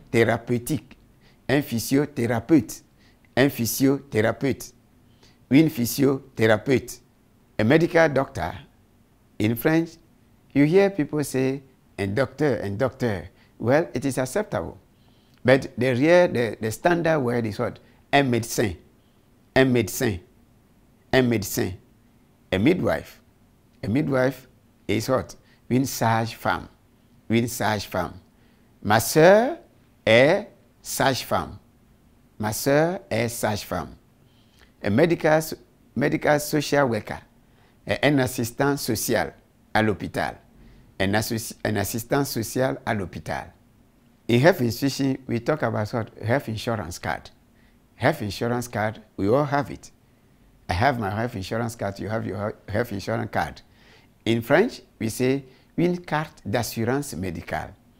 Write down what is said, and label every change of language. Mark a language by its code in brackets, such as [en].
[fr] therapeutique, un physiothérapeute, un physiotherapeute, une physiotherapeute, [en] a medical doctor. In French, you hear people say, and doctor, well, it is acceptable. But derrière the standard word is what? [fr] Un médecin, un médecin, un médecin, [en] a midwife. A midwife is what? [fr] Une sage-femme. Une sage-femme. Ma soeur est sage-femme. Ma soeur est sage-femme. [en] A medical social worker. [fr] Un assistant social à l'hôpital. Un assistant social à l'hôpital. [en] In health institution, we talk about what? Health insurance card. Health insurance card, we all have it. I have my health insurance card, you have your health insurance card. In French, we say, [fr] une carte d'assurance médicale.